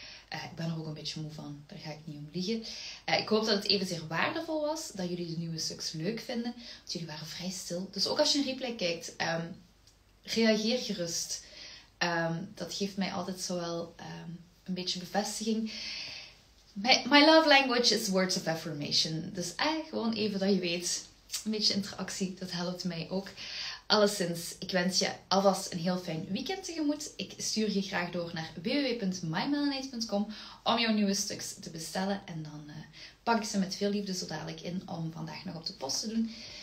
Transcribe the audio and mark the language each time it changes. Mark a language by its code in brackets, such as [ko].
[nl] Ik ben er ook een beetje moe van. Daar ga ik niet om liegen. Ik hoop dat het evenzeer waardevol was. Dat jullie de nieuwe stuks leuk vinden. Want jullie waren vrij stil. Dus ook als je een replay kijkt, reageer gerust. Dat geeft mij altijd zowel een beetje bevestiging. [en] My love language is words of affirmation. [nl] Dus gewoon even dat je weet, een beetje interactie, dat helpt mij ook. Alleszins, ik wens je alvast een heel fijn weekend tegemoet. Ik stuur je graag door naar www.mymelanate.com om jouw nieuwe stuks te bestellen. En dan pak ik ze met veel liefde zo dadelijk in om vandaag nog op de post te doen.